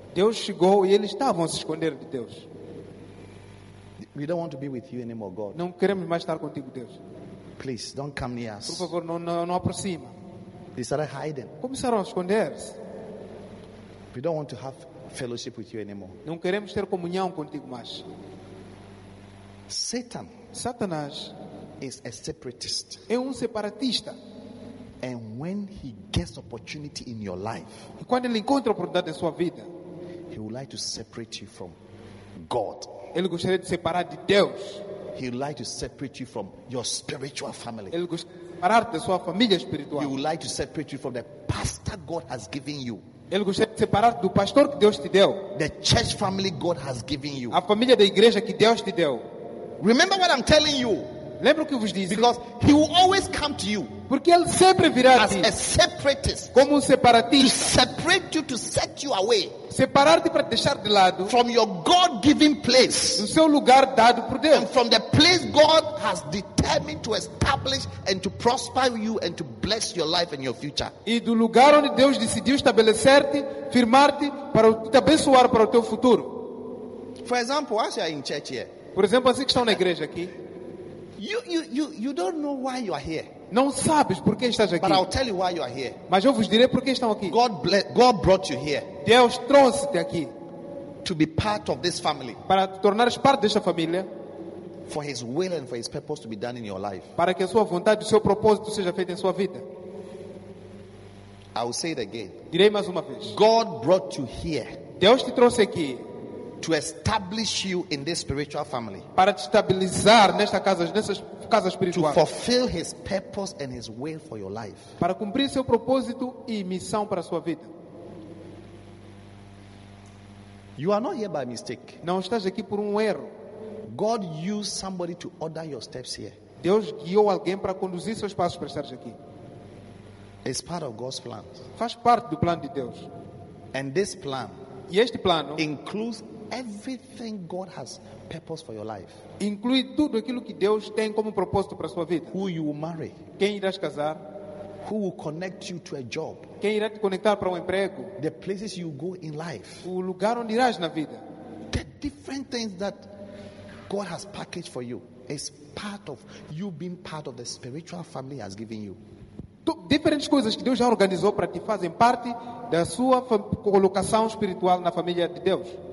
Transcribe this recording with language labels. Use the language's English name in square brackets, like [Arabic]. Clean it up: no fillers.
[Portuguese] Deus chegou e eles estavam a se esconder de Deus. [English] We don't want to be with you anymore, God. [Portuguese] Não queremos mais estar contigo, Deus. [English] Please, don't come near us. [Portuguese] Por favor, não aproxima. [English] They started hiding. [Portuguese] Começaram a esconder-se. [English] We don't want to have fellowship with you anymore. [Portuguese] Não queremos ter comunhão contigo mais. [English] Satanás is a separatist. [Portuguese] É separatista. [English] And when he gets opportunity in your life, [Portuguese] e quando ele encontra oportunidade em sua vida, [English] he would like to separate you from God. [Portuguese] Ele gostaria de separar de Deus. [English] He would like to separate you from your spiritual family. [Portuguese] Ele gostaria de separar de sua família espiritual. [English] He would like to separate you from the pastor God has given you. [Portuguese] Ele gostaria de separar do pastor que Deus te deu. [English] The church family God has given you. [Portuguese] A família da igreja que Deus te deu. [English] Remember what I'm telling you. [Portuguese] Lembra o que eu vos disse? [English] Because he will always come to you. [Portuguese] Porque ele sempre virá a ti. [English] As a separatist. [Portuguese] Como separatista. [English] To separate you, to set you away. [Portuguese] Separar-te para deixar de lado. [English] From your God-given place. [Portuguese] Do seu lugar dado por Deus. [English] And from the place God has determined to establish and to prosper you and to bless your life and your future. [Portuguese] E do lugar onde Deus decidiu estabelecer-te, firmar-te para te abençoar para o teu futuro. [English] For example, as you are in church here. [Portuguese] Por exemplo, assim que estão na igreja aqui. [English] You don't know why you are here. [Portuguese] Não sabes por que estás aqui. [English] But I'll tell you why you are here. [Portuguese] Mas eu vos direi por que estão aqui. [English] God brought you here. [Portuguese] Deus trouxe-te aqui. [English] To be part of this family. [Portuguese] Para te tornares parte desta família. [English] For his will and for his purpose to be done in your life. [Portuguese] Para que a sua vontade e o seu propósito seja feito em sua vida. [English] I will say it again. [Portuguese] Direi mais uma vez. [English] God brought you here. [Portuguese] Deus te trouxe aqui. [English] To establish you in this spiritual family. [Portuguese] Para te estabilizar nesta casa espiritual. [English] To fulfill his purpose and his will for your life. [Portuguese] Para cumprir seu propósito e missão para sua vida. [English] You are not here by mistake. [Portuguese] Não estás aqui por erro. [English] God used somebody to order your steps here. [Portuguese] Deus guiou alguém para conduzir seus passos para estar aqui. [English] It's part of God's plan. [Portuguese] Faz parte do plano de Deus. [English] And this plan. [Portuguese] E este plano [English] includes everything God has purpose for your life. [Portuguese] Inclui tudo aquilo que Deus tem como propósito para sua vida. [English] Who you will marry? [Portuguese] Quem irás casar? [English] Who will connect you to a job? [Portuguese] Quem irá te conectar para emprego? [English] The places you go in life. [Portuguese] O lugar onde irás na vida. [English] The different things that God has packaged for you is part of you being part of the spiritual family he has given you. [Portuguese] Diferentes coisas que Deus já organizou para ti fazem parte da sua colocação espiritual na família de Deus.